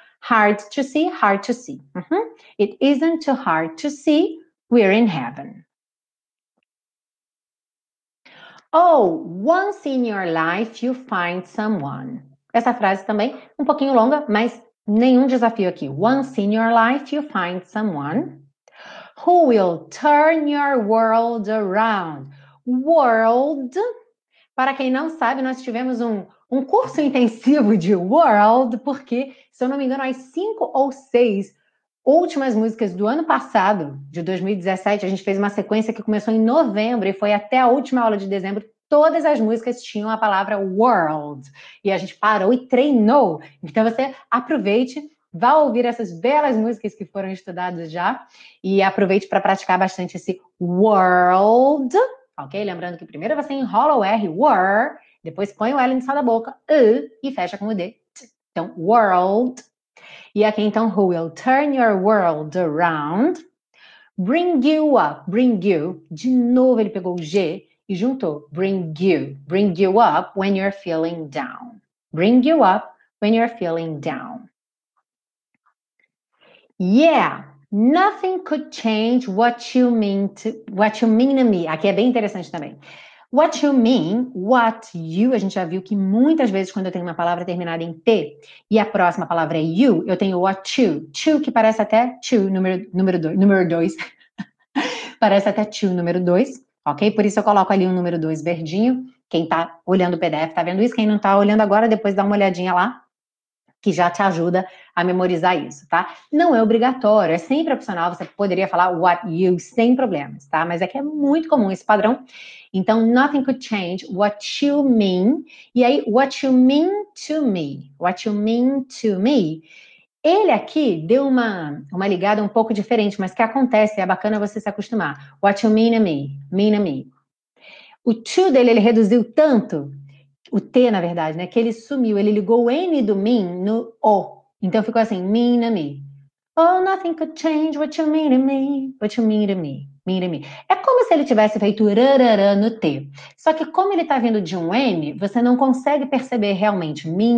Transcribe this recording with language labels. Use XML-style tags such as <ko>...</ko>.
<en>Isn't too hard to see. It isn't too hard to see. We're in heaven. Oh, once in your life you find someone.</en> <pt>Essa frase também, um pouquinho longa, mas nenhum desafio aqui.</pt> <en>Once in your life you find someone who will turn your world around.</en> <pt>World, para quem não sabe, nós tivemos um curso intensivo de world, porque, se eu não me engano, as 5 ou 6 últimas músicas do ano passado, de 2017, a gente fez uma sequência que começou em novembro e foi até a última aula de dezembro. Todas as músicas tinham a palavra world. E a gente parou e treinou. Então, você aproveite, vá ouvir essas belas músicas que foram estudadas já. E aproveite para praticar bastante esse world. Ok? Lembrando que primeiro você enrola o R, were. Depois põe o L no sal da boca, e fecha com o D.</pt> <en>Então, world.</en> <pt>E aqui, então,</pt> <en>who will turn your world around. Bring you up. Bring you.</en> <pt>De novo, ele pegou o G. E juntou,</pt> <en>bring you up when you're feeling down. Bring you up when you're feeling down. Yeah, nothing could change what you mean to me.</en> <pt>Aqui é bem interessante também.</pt> <en>What you mean, what you,</en> <pt>a gente já viu que muitas vezes quando eu tenho uma palavra terminada em T e a próxima palavra é you, eu tenho what you. To, que parece até to, número dois. Parece até to, número dois. Ok? Por isso eu coloco ali o número 2 verdinho. Quem tá olhando o PDF tá vendo isso. Quem não tá olhando agora, depois dá uma olhadinha lá, que já te ajuda a memorizar isso, tá? Não é obrigatório, é sempre opcional. Você poderia falar what you sem problemas, tá? Mas é que é muito comum esse padrão.</pt> <en>Então, nothing could change what you mean.</en> <pt>E aí,</pt> <en>what you mean to me. What you mean to me.</en> <pt>Ele aqui deu uma ligada um pouco diferente, mas que acontece, é bacana você se acostumar.</pt> <en>What you mean to me? Mean to me.</en> <pt>O to dele, ele reduziu tanto, o T, na verdade, né? Que ele sumiu, ele ligou o N do mean no O. Então, ficou assim, mean to me.</pt> <en>Oh, nothing could change what you mean to me. What you mean to me? Mean to me.</en> <pt>É como se ele tivesse feito rarara no T. Só que como ele tá vindo de um N, você não consegue perceber realmente.</pt>